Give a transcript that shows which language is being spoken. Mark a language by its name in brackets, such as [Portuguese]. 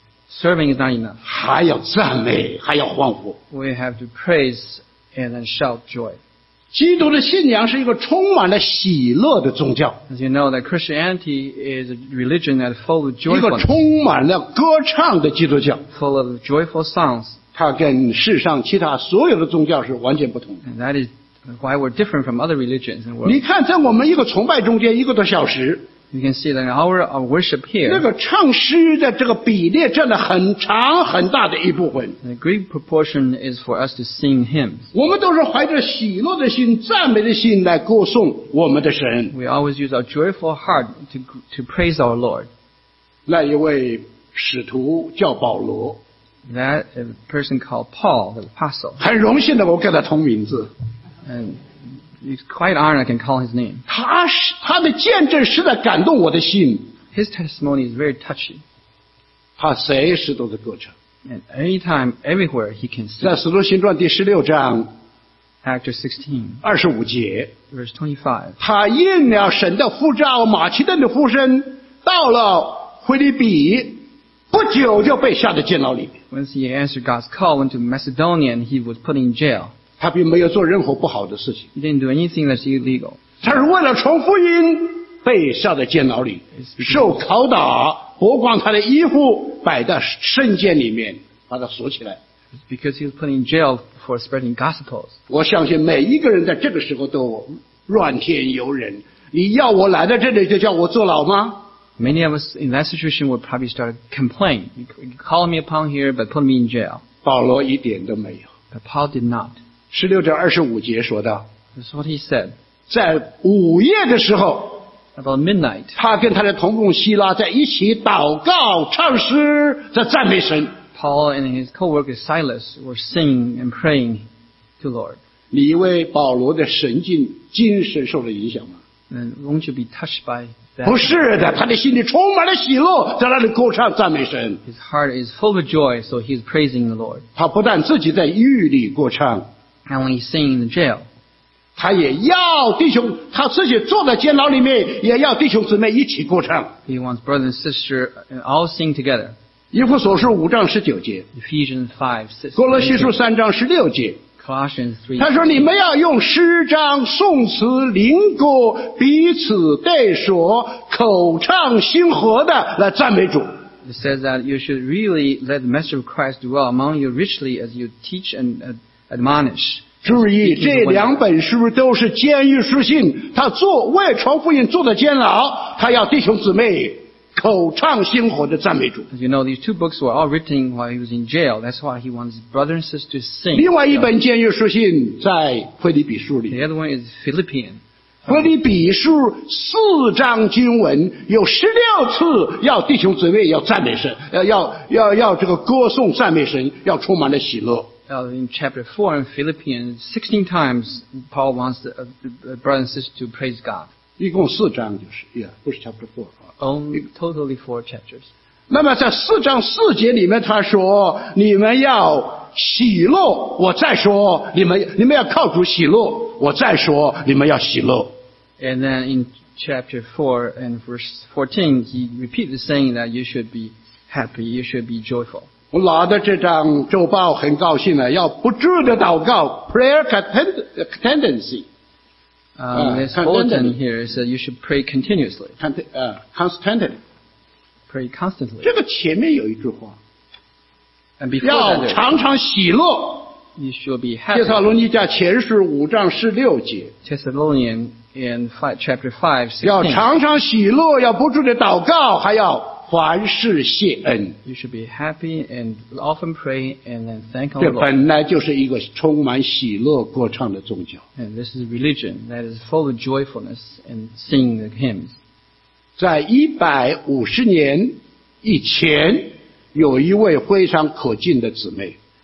[English] Serving is not enough. [Chinese] 还要赞美还要欢呼。 [English] We have to praise and then shout joy. [Chinese] 基督的信仰是一个充满了喜乐的宗教。 [English] As you know, that Christianity is a religion that is full of joyfulness. [Chinese] 一个充满了歌唱的基督教。 [English] Full of joyful sounds. [Chinese] 它跟世上其他所有的宗教是完全不同的。 [English] And that is why we're different from other religions. [Chinese] 你看在我们一个崇拜中间一个多小时。 [English] You can see that an hour of worship here. [Chinese] 那个唱诗的这个比例占了很长很大的一部分。 [English] The great proportion is for us to sing hymns. [Chinese] 我们都是怀着喜乐的心赞美的心来歌颂我们的神。 [English] We always use our joyful heart to praise our Lord. [Chinese] 那一位使徒叫保罗。 [English] That a person called Paul, the apostle. [Chinese] 很荣幸的我跟他同名字。 [English] And he's quite honored I can call his name. [Chinese] 他的见证实在感动我的心。 [English] His testimony is very touching. [Chinese] 他随时都在歌唱。 [English] And anytime, everywhere he can sing. [Chinese] 在使徒行传第十六章。 [English] Act 16. [Chinese] 二十五节。 [English] Verse 25. [Chinese] 他应了神的呼召马其顿的呼声到了腓立比不久就被下在监牢里。 [English] Once he answered God's call into Macedonia, he was put in jail. [Chinese] 他并没有做任何不好的事情。 [English] He didn't do anything that's illegal. [Chinese] 他是为了传福音被下在监牢里受拷打剥光他的衣服摆在圣监里面把他锁起来。 [English] Because he was put in jail for spreading gospels. [Chinese] 我相信每一个人在这个时候都怨天尤人。你要我来到这里就叫我坐牢吗？ [English] Many of us in that situation would probably start to complain. You call me upon here but put me in jail. [Chinese] 保罗一点都没有。 [English] But Paul did not. [Chinese] 十六章二十五节说道 [English] That's what he said. [Chinese] 在午夜的时候 [English] About midnight, [Chinese] 他跟他的同工希拉在一起祷告唱诗在赞美神 [English] Paul and his co-worker Silas were singing and praying to the Lord. [Chinese] 你为保罗的神经精神受了影响吗 [English] And won't you be touched by that? [Chinese] 不是的他的心里充满了喜乐在那里歌唱赞美神 [English] His heart is full of joy so he's praising the Lord. [Chinese] 他不但自己在狱里歌唱 [English] And when he sang in the jail, [Chinese] 他也要弟兄，他自己坐在监牢里面，也要弟兄姊妹一起歌唱。 [English] He wants brother and sister all sing together. [Chinese] 以弗所书五章十九节。 [English] Ephesians 5:16. [Chinese] 哥罗西书三章十六节。 [English] Colossians 3. [Chinese] 他说你们要用诗章、颂词、灵歌彼此对说，口唱心和的来赞美主。 [English] It says that you should really let the message of Christ dwell among you richly as you teach and admonish. [Chinese] 注意这两本书都是监狱书信他为传福音坐在监牢他要弟兄姊妹口唱心和的赞美主。 [English] As you know, these two books were all written while he was in jail. That's why he wants his brother and sister to sing. [Chinese] 另外一本监狱书信在腓立比书里。 [English] The other one is Philippians. [Chinese] 腓立比书四章经文有十六次要弟兄姊妹要赞美神，要这个歌颂赞美神，要充满了喜乐。 [English] In chapter 4 in Philippians, 16 times Paul wants the brothers and sisters to praise God. [Chinese] 一共四章就是 yeah, 不是 [English] chapter 4. Only totally four chapters. [Chinese] 那么在四章四节里面他说你们要喜乐，我再说你们要靠主喜乐，我再说你们要喜乐。 [English] And then in chapter 4 and verse 14, he repeats the saying that you should be happy, you should be joyful. [Chinese] 我拿着这张周报很高兴了，要不住的祷告 , [English] prayer contendency. This bulletin here is that you should pray continuously. Constantly. Pray constantly. [Chinese] 这个前面有一句话。 [English] And before that, [Chinese] 要常常喜乐。 [English] You should be happy. [Chinese] 帖撒罗尼迦前书五章十六节。 [English] Thessalonians in chapter 5, 16. [Chinese] 要常常喜乐，要不住的祷告，还要凡事谢恩。 [English] You should be happy and often pray and then thank God. [Chinese] 这本来就是一个充满喜乐歌唱的宗教。 [English] And this is a religion that is full of joyfulness and singing the hymns. [Chinese] 在150年以前，有一位非常可敬的姊妹。